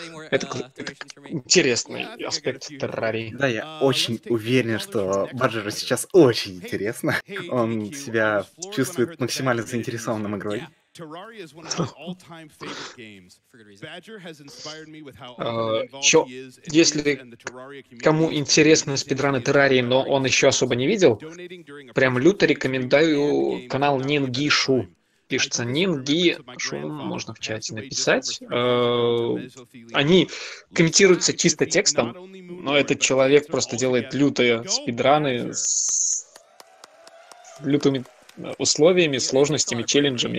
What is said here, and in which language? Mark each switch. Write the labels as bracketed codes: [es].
[ru] Это интересный аспект Террарии. Да, я очень уверен, что Баджеру сейчас очень интересно. Он себя чувствует максимально заинтересованным игрой. [en] Terraria is one of my all-time favorite games. Badger has inspired me with how involved he is in the Terraria community. [ru] Кому интересны спидраны Террарии, но он еще особо не видел, прям люто рекомендую канал Нингишу. Пишется Нингишу, можно в чате написать. Они комментируются чисто текстом, но этот человек просто делает лютые спидраны с лютыми условиями, сложностями, челленджами.